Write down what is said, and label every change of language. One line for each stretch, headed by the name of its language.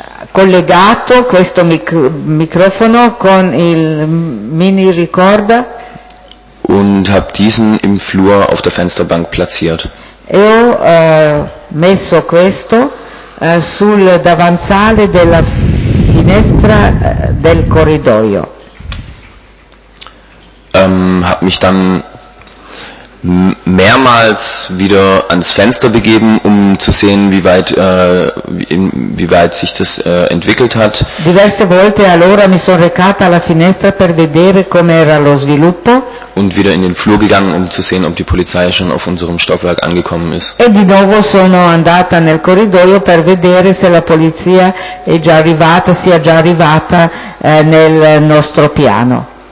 Italian: Collegato questo microfono con il Minirecorder.
German: Und habe diesen im Flur auf der Fensterbank platziert.
Italian: E ho messo questo sul davanzale della finestra del corridoio.
German: Habe mich dann mehrmals wieder ans Fenster begeben, um zu sehen, wie weit sich das entwickelt hat.
Italian: Diverse volte allora mi sono recata alla finestra per vedere com'era lo sviluppo.
German: Und wieder in den Flur gegangen, um zu sehen, ob die Polizei schon auf unserem Stockwerk angekommen ist.
Italian: E di nuovo sono andata nel corridoio per vedere se la polizia sia già arrivata nel nostro piano.